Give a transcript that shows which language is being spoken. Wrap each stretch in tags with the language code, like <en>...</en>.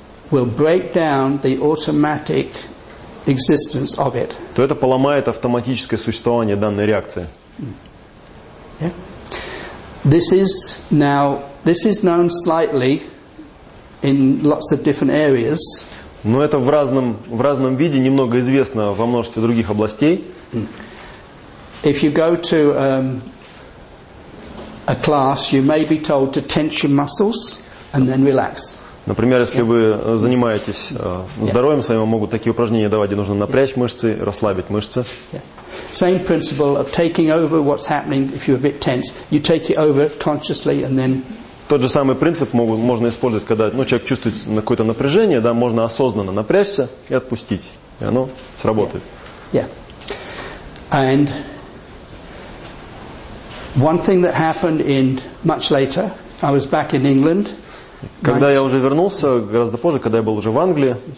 <en>will break down the automatic existence of it.</en> <ru>То это поломает автоматическое существование данной реакции.</ru> <en>Yeah. This is known slightly in lots of different areas.</en> <ru>Но это в разном виде немного известно во множестве других областей.</ru> <en>If you go to a class, you may be told to tense your muscles and then relax.</en> <ru>Например, если вы занимаетесь здоровьем своим, могут такие упражнения давать, где нужно напрячь мышцы, расслабить мышцы.</ru> <en>Same principle of taking over what's happening if you're a bit tense. You take it over consciously and then.</en> <ru>Тот же самый принцип можно использовать, когда человек чувствует какое-то напряжение, да, можно осознанно напрячься и отпустить, и оно сработает.</ru> <en>Yeah. And one thing that happened in much later, I was back in England.</en> <ru>Когда я уже вернулся, гораздо позже, когда я был уже в Англии.</ru>